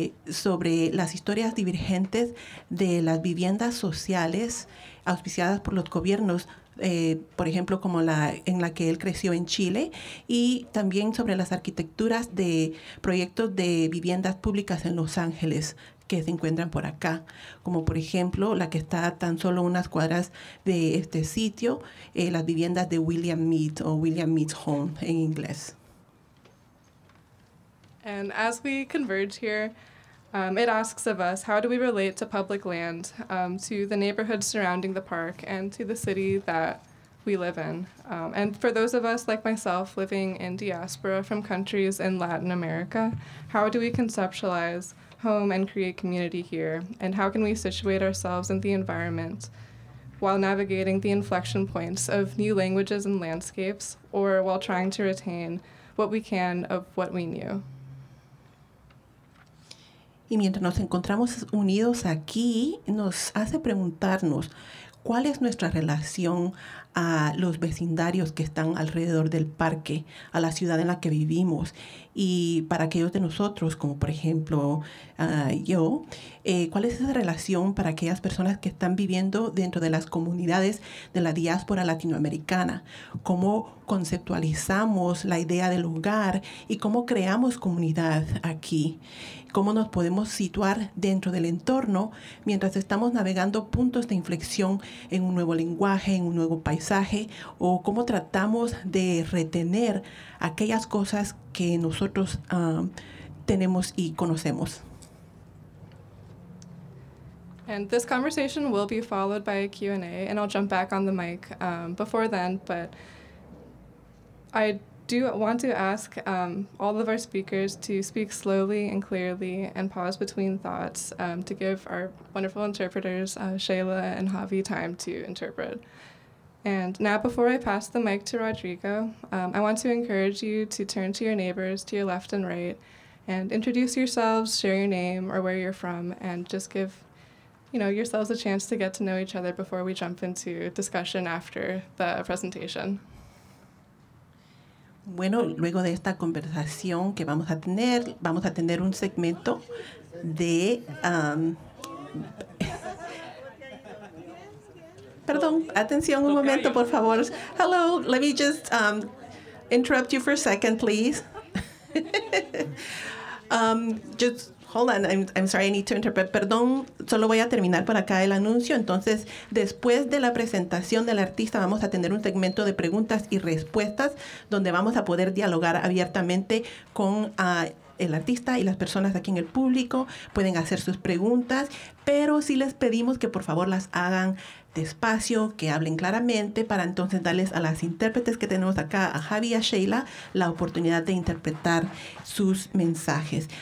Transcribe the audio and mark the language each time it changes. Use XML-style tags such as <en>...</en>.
<es>sobre las historias divergentes de las viviendas sociales auspiciadas por los gobiernos, por ejemplo, como la en la que él creció en Chile, y también sobre las arquitecturas de proyectos de viviendas públicas en Los Ángeles que se encuentran por acá, como por ejemplo la que está tan solo unas cuadras de este sitio, las viviendas de William Meade o William Meade's Home en inglés.</es> <en>And as we converge here, it asks of us, how do we relate to public land, to the neighborhoods surrounding the park, and to the city that we live in? And for those of us, like myself, living in diaspora from countries in Latin America, how do we conceptualize home and create community here? And how can we situate ourselves in the environment while navigating the inflection points of new languages and landscapes, or while trying to retain what we can of what we knew?</en> <es>Y mientras nos encontramos unidos aquí, nos hace preguntarnos cuál es nuestra relación a los vecindarios que están alrededor del parque, a la ciudad en la que vivimos. Y para aquellos de nosotros, como por ejemplo ¿cuál es esa relación para aquellas personas que están viviendo dentro de las comunidades de la diáspora latinoamericana? ¿Cómo conceptualizamos la idea del lugar y cómo creamos comunidad aquí? ¿Cómo nos podemos situar dentro del entorno mientras estamos navegando puntos de inflexión en un nuevo lenguaje, en un nuevo paisaje? ¿O cómo tratamos de retener aquellas cosas que nosotros tenemos y conocemos?</es> <en>And this conversation will be followed by a Q&A, and I'll jump back on the mic before then. But I do want to ask all of our speakers to speak slowly and clearly and pause between thoughts to give our wonderful interpreters, Shayla and Javi, time to interpret. And now, before I pass the mic to Rodrigo, I want to encourage you to turn to your neighbors, to your left and right, and introduce yourselves, share your name or where you're from, and just give, you know, yourselves a chance to get to know each other before we jump into discussion after the presentation.</en> <es>Bueno, luego de esta conversación que vamos a tener un segmento de... Perdón, atención un momento, por favor.</es> <en>Hello, let me just interrupt you for a second, please. just hold on, I'm sorry, I need to interrupt.</en> <es>Perdón, solo voy a terminar por acá el anuncio. Entonces, después de la presentación del artista, vamos a tener un segmento de preguntas y respuestas donde vamos a poder dialogar abiertamente con el artista y las personas aquí en el público. Pueden hacer sus preguntas, pero sí les pedimos que por favor las hagan despacio, que hablen claramente, para entonces darles a las intérpretes que tenemos acá, a Javi y a Shayla, la oportunidad de interpretar sus mensajes.</es>